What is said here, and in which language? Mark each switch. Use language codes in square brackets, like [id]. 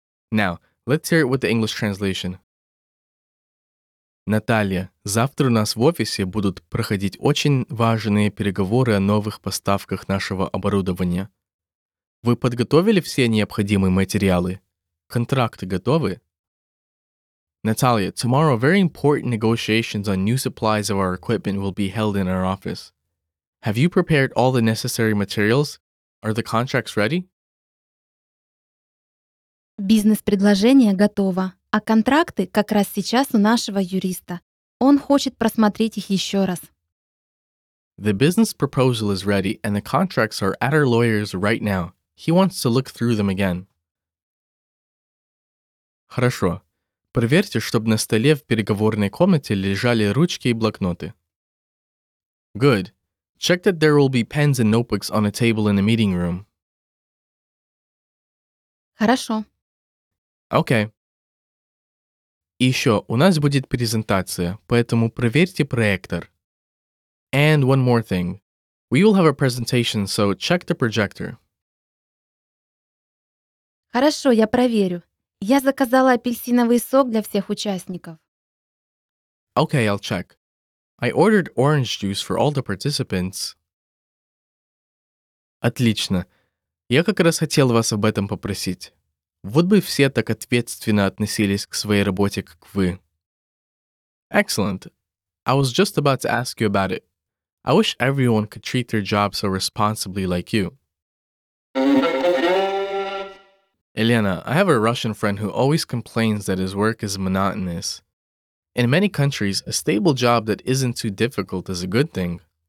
[en] Now, let's hear it with the English translation. [ru] Наталья, завтра у нас в офисе будут проходить очень важные переговоры о новых поставках нашего оборудования. Вы подготовили все необходимые материалы? Контракты готовы? [en] Natalia, tomorrow very important negotiations on new supplies of our equipment will be held in our office. Have you prepared all the necessary materials? Are the contracts ready? [ru] Бизнес-предложение готово, а контракты как раз сейчас у нашего юриста. Он хочет просмотреть их еще раз. [en] The business proposal is ready and the contracts are at our lawyer's right now. He wants to look through them again. [ru] Хорошо. Проверьте, чтобы на столе в переговорной комнате лежали ручки и блокноты. [en] Good. Check that there will be pens and notebooks on a table in the meeting room. [ru] Хорошо. [en] Okay. [ru] И еще, у нас будет презентация, поэтому проверьте проектор. [en] And one more thing. We will have a presentation, so check the projector. [ru] Хорошо, я проверю. Я заказала апельсиновый сок для всех участников. [en] Okay, I'll check. I ordered orange juice for all the participants. [ru] Отлично. Я как раз хотел вас об этом попросить. Вот бы все так ответственно относились к своей работе, как вы. [en] Excellent. I was just about to ask you about it. I wish everyone could treat their job so responsibly like you. Elena, I have a Russian friend who always complains that his work is monotonous. In many countries, a stable job that isn't too difficult is a good thing.